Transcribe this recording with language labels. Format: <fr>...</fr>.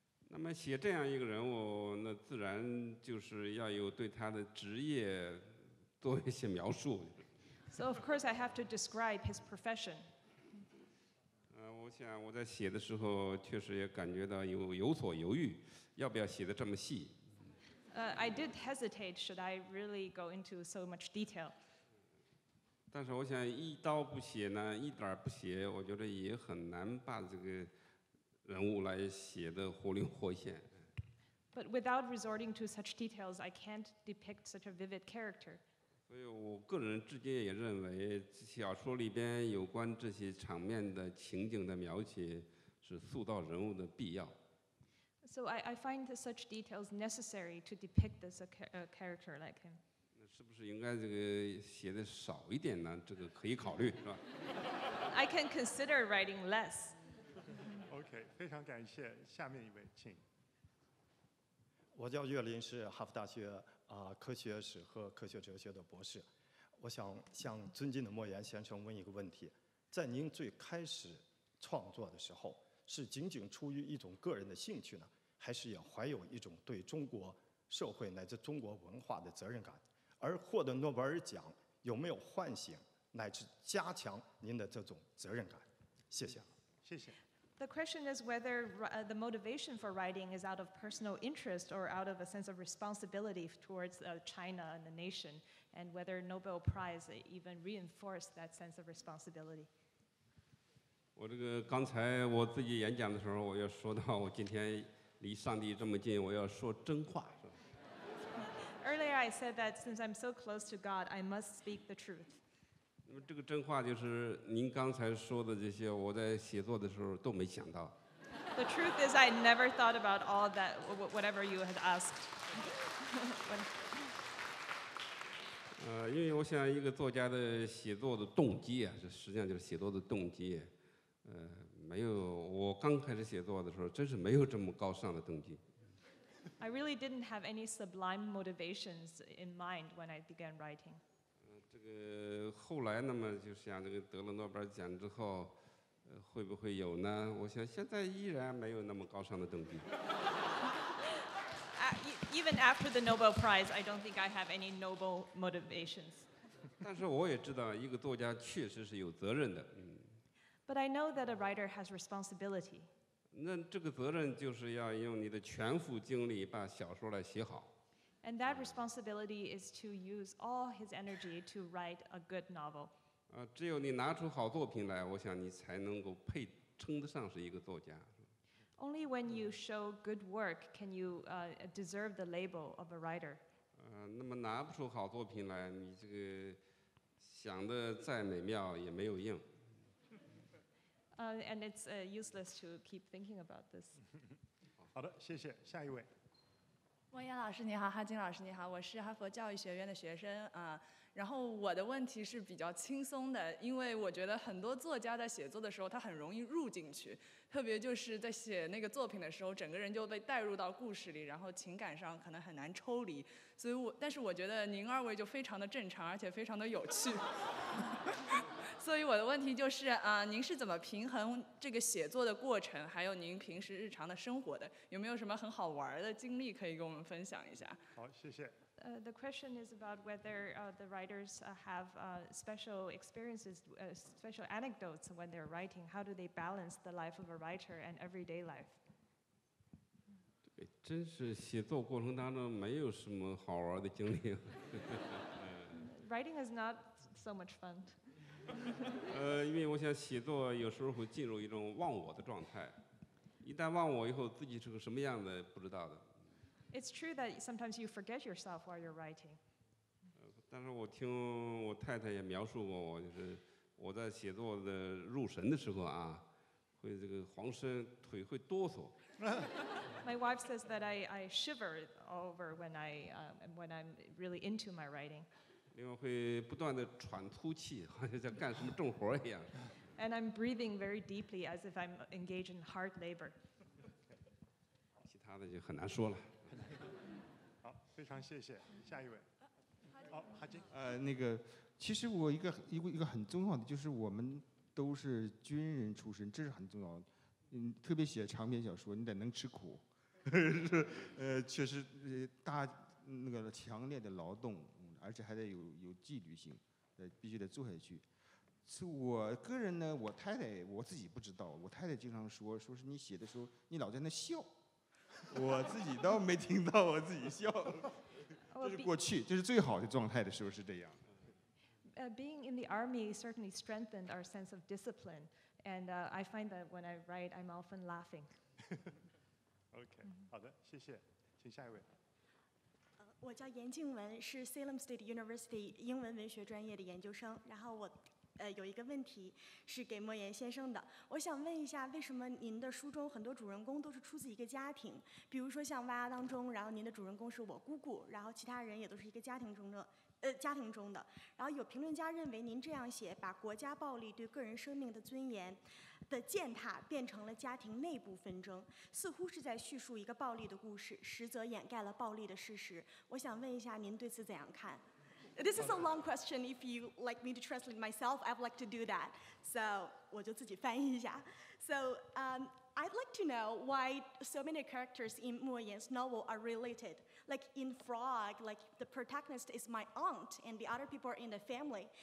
<zh>那么写这样一个人物，那自然就是要有对他的职业做一些描述。</zh> <en>So of course I have to describe his profession.</en> <zh>我想我在写的时候确实也感觉到有所犹豫，要不要写的这么细。</zh> <en>I did hesitate, should I really go into so much detail?</en> <zh>但是我想一刀不写呢，一点不写，我觉得也很难把这个人物来写得活灵活现。</zh> <en>But without resorting to such details, I can't depict such a vivid character.</en> <zh>所以我个人至今也认为，小说里边有关这些场面的情景的描写是塑造人物的必要。</zh> <en>So I find that such details necessary to depict this character like him.</en> <zh>那是不是应该这个写的少一点呢？这个可以考虑，是吧</zh> <en>？I can consider writing less.</en> <zh>Okay, 非常感谢。下面一位，请。我叫岳林，是哈佛大学科学史和科学哲学的博士。我想向尊敬的莫言先生问一个问题：在您最开始创作的时候，是仅仅出于一种个人的兴趣呢，还是也怀有一种对中国社会乃至中国文化的责任感？而获得诺贝尔奖有没有唤醒乃至加强您的这种责任感？谢谢。谢谢。</zh> <en>The question is whether the motivation for writing is out of personal interest or out of a sense of responsibility towards China and the nation, and whether Nobel Prize even reinforced that sense of responsibility.</en> <zh>我这个刚才我自己演讲的时候，我要说到我今天离上帝这么近，我要说真话，是吧</zh> <en>？Earlier I said that since I'm so close to God, I must speak the truth.</en> <zh>那么这个真话就是您刚才说的这些，我在写作的时候都没想到。</zh> <en>The truth is I never thought about all that whatever you had asked.</en> <zh>因为我想一个作家的写作的动机啊，这实际上就是写作的动机。没有，我刚开始写作的时候，真是没有这么高尚的动机。</zh> <en>I really didn't have any sublime motivations in mind when I began writing.</en> <zh>这个后来那么就像这个得了诺贝尔奖之后，会不会有呢？我想现在依然没有那么高尚的动机。</zh> <en>Even after the Nobel Prize, I don't think I have any noble motivations.</en> <zh>但是我也知道一个作家确实是有责任的。</zh> <en>But I know that a writer has responsibility.</en> <zh>那这个责任就是要用你的全副精力把小说来写好。</zh> <en>And that responsibility is to use all his energy to write a good novel.</en> <zh>只有你拿出好作品来，我想你才能够配称得上是一个作家。</zh> <en>Only when you show good work can you deserve the label of a writer.</en> <zh>那么拿不出好作品来，你这个想的再美妙也没有用。</zh> <en>And it's useless to keep thinking about this.</en> <zh>好的，谢谢，下一位。莫言老师你好，哈金老师你好，我是哈佛教育学院的学生啊。然后我的问题是比较轻松的，因为我觉得很多作家在写作的时候，他很容易入进去，特别就是在写那个作品的时候，整个人就被带入到故事里，然后情感上可能很难抽离。所以但是我觉得您二位就非常的正常，而且非常的有趣。所以我的问题就是啊，您是怎么平衡这个写作的过程，还有您平时日常的生活的？有没有什么很好玩的经历可以跟我们分享一下？好，谢谢。</zh> <en>The question is about whether the writers have special experiences, special anecdotes when they're writing. How do they balance the life of a writer and everyday life?</en> <zh>对，真是写作过程当中没有什么好玩的经历。</zh> <en>Writing is not so much fun.</en> <zh>因为我想写作有时候会进入一种忘我的状态，一旦忘我以后，自己是个什么样的不知道的。</zh> <en>It's true that sometimes you forget yourself while you're writing.</en> <zh>但是我听我太太也描述过我，就是我在写作的入神的时候啊，会这个恍神，腿会哆嗦。</zh> <en>My wife says that I shiver over when I'm really into my writing.</en> <zh>另外会不断的喘粗气，好像在干什么重活一样。</zh> <en>And I'm breathing very deeply as if I'm engaged in hard labor.</en> <zh>其他的就很难说了。好，非常谢谢，下一位。好，哈金。那个，其实我一个很重要的就是，我们都是军人出身，这是很重要的。特别写长篇小说，你得能吃苦，确实大那个强烈的劳动，而且还得有纪律性，必须得做下去。我个人呢，我太太我自己不知道，我太太经常说是你写的时候，你老在那笑。我自己倒没听到我自己笑，这是过去，这是最好的状态的时候是这样。</zh> <en>Being in the army certainly strengthened our sense of discipline, and I find that when I write, I'm often laughing.</en> <zh>Okay, 好的，谢谢，请下一位。我叫严静文，是 Salem State University 英文文学专业的研究生，然后我。有一个问题是给莫言先生的，我想问一下，为什么您的书中很多主人公都是出自一个家庭？比如说像《娃娃》当中，然后您的主人公是我姑姑，然后其他人也都是一个家庭中的。然后有评论家认为，您这样写把国家暴力对个人生命的尊严的践踏变成了家庭内部纷争，似乎是在叙述一个暴力的故事，实则掩盖了暴力的事实。我想问一下，您对此怎样看？</zh> <en>This is a long question. If you like me to translate myself, I'd like to do that. So,</en> <zh>我就自己翻译一下。</zh> <en>So, I'd like to know why so many characters in 莫言's novel are related. Like in Frog, like the protagonist is my aunt and the other people are in the family.</en>